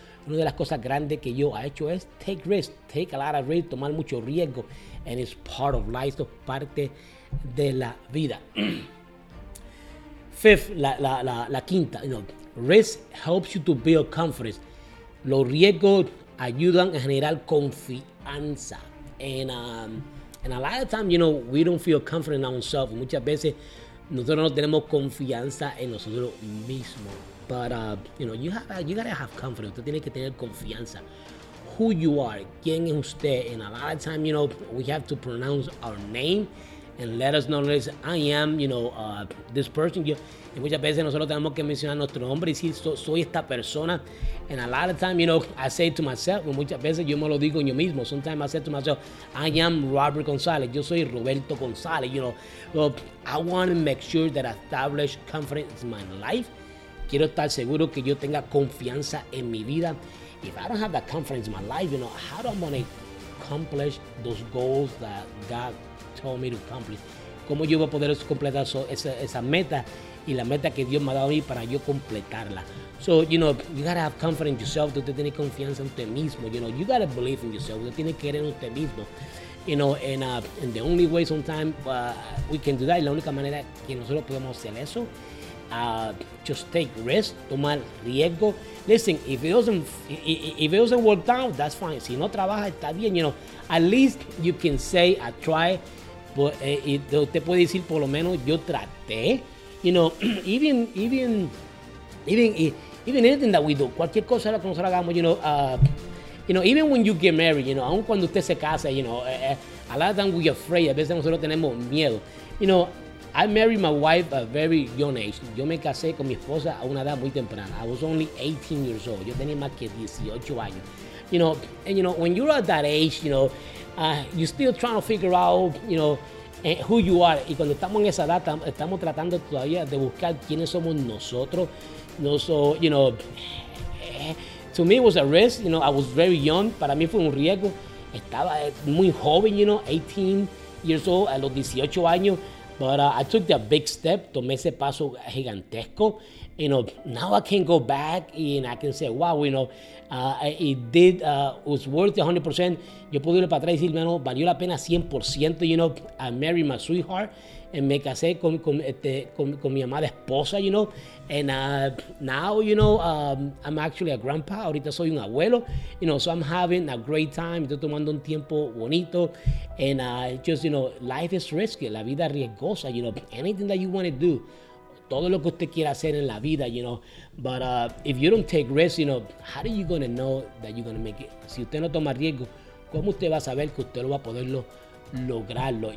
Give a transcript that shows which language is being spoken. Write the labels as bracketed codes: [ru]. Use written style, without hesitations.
[es] Una de las cosas grandes que yo he hecho es [en] take risk, take a lot of risk, [es] tomar mucho riesgo, [en] and it's part of life, [es] es parte de la vida. [en] Fifth, [es] la quinta, [en] you know, risk helps you to build confidence. [es] Los riesgos ayudan a generar confianza. [en] And a lot of times, you know, we don't feel confident in ourselves. [es] Muchas veces nosotros no tenemos confianza en nosotros mismos. [en] But you know, you gotta have confidence. [es] Usted tiene que tener confianza. [en] Who you are, [es] quién es usted. [en] And a lot of time, you know, we have to pronounce our name and let us know this. I am, you know, this person. [es] Y muchas veces nosotros tenemos que mencionar nuestro nombre y decir soy esta persona. [en] And a lot of time, you know, I say to myself. [es] Muchas veces yo me lo digo yo mismo. [en] Sometimes I say to myself, I am Robert González. [es] Yo soy [en] Roberto González. You know, so I want to make sure that I establish confidence in my life. [es] Quiero estar seguro que yo tenga confianza en mi vida. [en] If I don't have that confidence in my life, you know, how do I want to accomplish those goals that God told me to accomplish? [es] ¿Cómo yo voy a poder completar esa meta y la meta que Dios me ha dado a mí para yo completarla? [en] So, you know, you got to have confidence in yourself. [es] Usted tiene confianza en usted mismo. [en] You know, you got to believe in yourself. [es] Usted tiene que creer en usted mismo. [en] You know, and the only way sometimes we can do that, [es] y la única manera que nosotros podemos hacer eso, [en] just take risk, [es] tomar riesgo. [en] Listen, if it doesn't work out, that's fine. [es] Si no trabaja, está bien, [en] you know. At least you can say, I tried. [es] But, usted puede decir, por lo menos, yo traté. [en] You know, even anything that we do, [es] cualquier cosa que nosotros hagamos, [en] you know, even when you get married, you know, [es] aun cuando usted se casa, [en] you know, a lot of times we're afraid, [es] a veces nosotros tenemos miedo, [en] you know. I married my wife at a very young age. [es] Yo me casé con mi esposa a una edad muy temprana. [en] I was only 18 years old. [es] Yo tenía más que 18 años. [en] You know, and you know, when you're at that age, you know, you're still trying to figure out, you know, who you are. [es] Y cuando estamos en esa edad, estamos tratando todavía de buscar quiénes somos nosotros. [en] No, so, you know, to me it was a risk. You know, I was very young. [es] Para mí fue un riesgo. Estaba muy joven, [en] you know, 18 years old, [es] a los 18 años. [en] But I took that big step, [es] tomé ese paso gigantesco. [en] You know, now I can go back and I can say, wow, you know, it was worth 100%. [es] Yo puedo ir para atrás y decir, bueno, valió la pena 100%, [en] you know. I married my sweetheart and [es] me casé con mi amada esposa, [en] you know. And now, you know, I'm actually a grandpa. [es] Ahorita soy un abuelo, [en] you know, so I'm having a great time. [es] Estoy tomando un tiempo bonito. [en] And just, you know, life is risky. [es] La vida es riesgosa, [en] you know. Anything that you want to do, [es] todo lo que usted quiera hacer en la vida, [en] you know. But if you don't take risks, you know, how are you going to know that you're going to make it? [es] Si usted no toma riesgo, ¿cómo usted va a saber que usted lo va a poder lograrlo?